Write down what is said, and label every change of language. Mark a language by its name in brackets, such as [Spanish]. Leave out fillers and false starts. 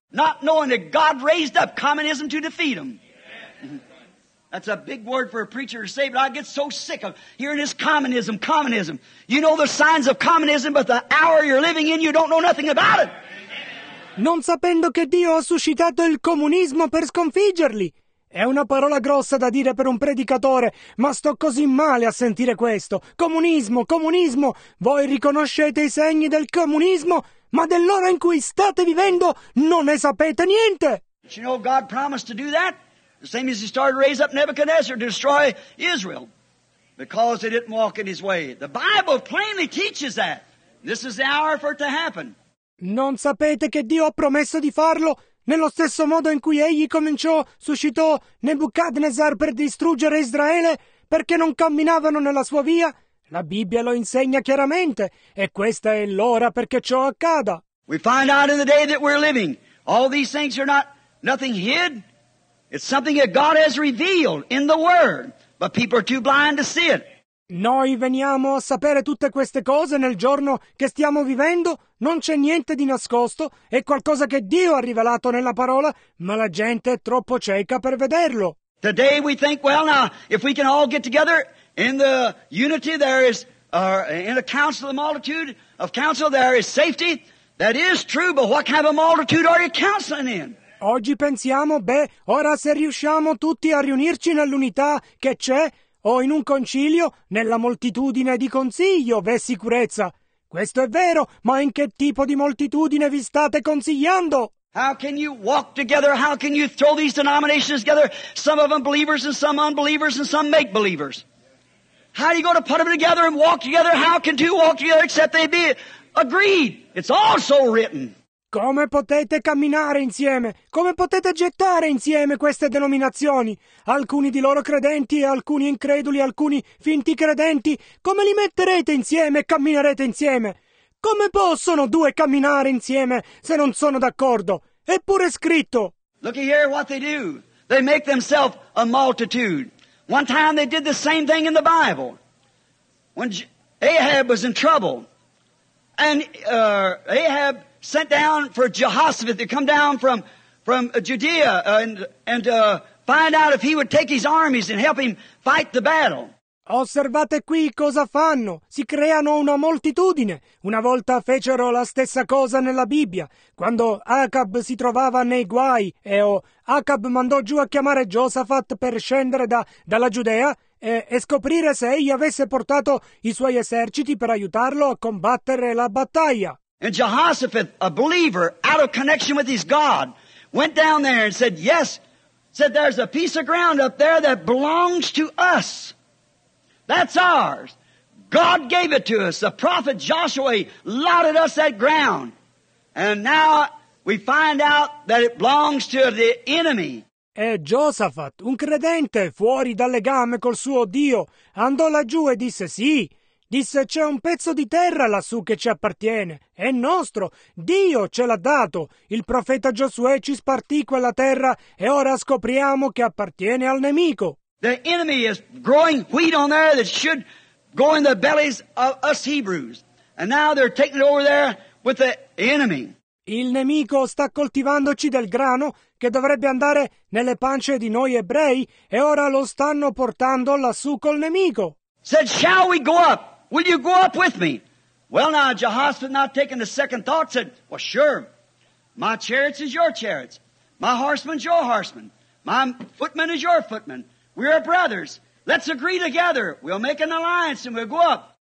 [English] Not knowing that God raised up communism to defeat him. That's a big word for a preacher to say, but I get so sick of hearing this communism, communism. You know the signs of communism, but the hour you're living in, you don't know nothing about it. [Italian] Non sapendo che Dio ha suscitato il comunismo per sconfiggerli. È una parola grossa da dire per un predicatore, ma sto così male a sentire questo. Comunismo, comunismo, voi riconoscete i segni del comunismo, ma dell'ora in cui state vivendo non ne sapete niente. [English] You know, God promised to do that, the same as he started to raise up Nebuchadnezzar to destroy Israel. Because they didn't walk in his way. The Bible plainly teaches that. This is the hour for it to happen. [Italian] Non sapete che Dio ha promesso di farlo nello stesso modo in cui egli cominciò, suscitò Nebuchadnezzar per distruggere Israele perché non camminavano nella sua via? La Bibbia lo insegna chiaramente e questa è l'ora perché ciò accada. [English] We find out in the day that we're living, all these things are not nothing hid. It's something that God has revealed in the Word, but people are too blind to see it. [Italian] Noi veniamo a sapere tutte queste cose nel giorno che stiamo vivendo, non c'è niente di nascosto, è qualcosa che Dio ha rivelato nella parola, ma la gente è troppo cieca per vederlo. [English] Today we think, well now, if we can all get together in the unity there is, in the council, the multitude of council there is safety, that is true, but what kind of a multitude are you counseling in? [Italian] Oggi pensiamo, beh, ora se riusciamo tutti a riunirci nell'unità che c'è, o in un concilio, nella moltitudine di consiglio, v'è sicurezza. Questo è vero, ma in che tipo di moltitudine vi state consigliando? [English] How can you walk together? How can you throw these denominations together? Some of them believers and some unbelievers and some make believers. How are you going to put them together and walk together? How can two walk together except they be agreed? It's also written. [Italian] Come potete camminare insieme? Come potete gettare insieme queste denominazioni? Alcuni di loro credenti e alcuni increduli, alcuni finti credenti. Come li metterete insieme e camminerete insieme? Come possono due camminare insieme se non sono d'accordo? Eppure è scritto. [English] Look here what they do. They make themselves a multitude. One time they did the same thing in the Bible. When Ahab was in trouble. And Ahab sent down for Jehoshaphat to come down from Judea and find out if he would take his armies and help him fight the battle. [Italian] Osservate qui cosa fanno. Si creano una moltitudine. Una volta fecero la stessa cosa nella Bibbia. Quando Acab si trovava nei guai Acab mandò giù a chiamare Josafat per scendere dalla Giudea e scoprire se egli avesse portato i suoi eserciti per aiutarlo a combattere la battaglia. [English] And Jehoshaphat, a believer, out of connection with his God, went down there and said, yes, said there's a piece of ground up there that belongs to us. That's ours. God gave it to us. The prophet Joshua allotted us that ground. And now we find out that it belongs to the enemy. [Italian] E Josafat, un credente fuori dal legame col suo Dio, andò laggiù e disse sì. Disse, c'è un pezzo di terra lassù che ci appartiene. È nostro. Dio ce l'ha dato. Il profeta Giosuè ci spartì quella terra e ora scopriamo che appartiene al nemico. [English] The enemy is growing wheat on there that should go in the bellies of us Hebrews. And now they're taking it over there with the enemy. [Italian] Il nemico sta coltivandoci del grano che dovrebbe andare nelle pance di noi ebrei e ora lo stanno portando lassù col nemico. [English] Said, shall we go up? Will you go up with me? Well now, Jehoshaphat, not taking a second thought, said, well, sure. My chariots is your chariots. My horseman's your horseman. My footman is your footman. We are brothers. Let's agree together. We'll make an alliance and we'll go up.